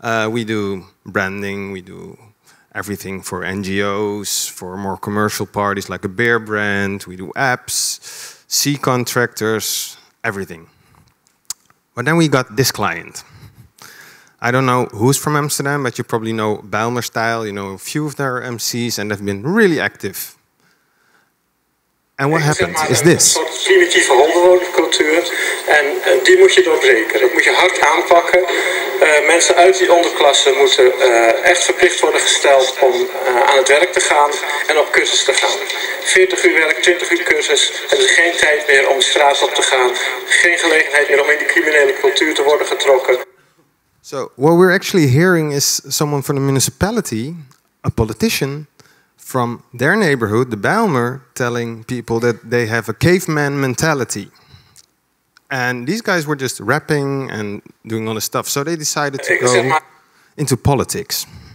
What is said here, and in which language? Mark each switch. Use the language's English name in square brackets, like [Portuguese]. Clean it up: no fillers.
[English] We do branding, we do everything for NGOs, for more commercial parties like a beer brand, we do apps, sea contractors, everything. But then we got this client. I don't know who's from Amsterdam, but you probably know Bijlmer Style. You know a few of their MCs, and they've been really active. And what happened is this. [Dutch] Een soort primitieve hondenhoofdcultuur. En die moet je doorbreken. Dat moet je hard aanpakken. Mensen uit die onderklasse moeten echt verplicht worden gesteld om aan het werk te gaan en op cursus te gaan. 40 uur werk, 20 uur cursus. Er is geen tijd meer om straat op te gaan. Geen gelegenheid meer om in die criminele cultuur te worden getrokken. [English] So what we're actually hearing is someone from the municipality, a politician, from their neighborhood, the Bijlmer, telling people that they have a caveman mentality. And these guys were just rapping and doing all this stuff. So they decided to go into politics.